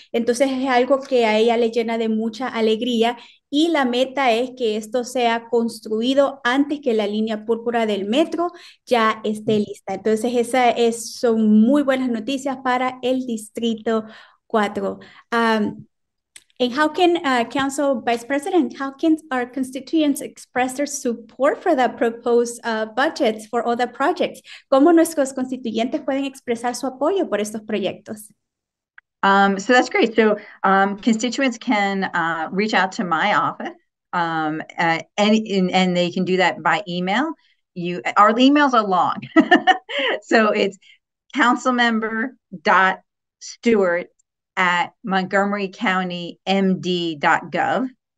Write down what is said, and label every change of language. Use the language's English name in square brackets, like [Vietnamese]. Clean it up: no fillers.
[Spanish] Entonces, es algo que a ella le llena de mucha alegría. Y la meta es que esto sea construido antes que la línea púrpura del metro ya esté lista. Entonces, son muy buenas noticias para el Distrito 4. [English] And how can Council Vice President, how can our constituents express their support for the proposed budgets for all the projects? [Spanish] ¿Cómo nuestros constituyentes pueden expresar su apoyo por estos proyectos? [English] So that's great. So constituents can reach out to my office and they can do that by email. Our emails are long. So it's councilmember.stewart@montgomerycountymd.gov.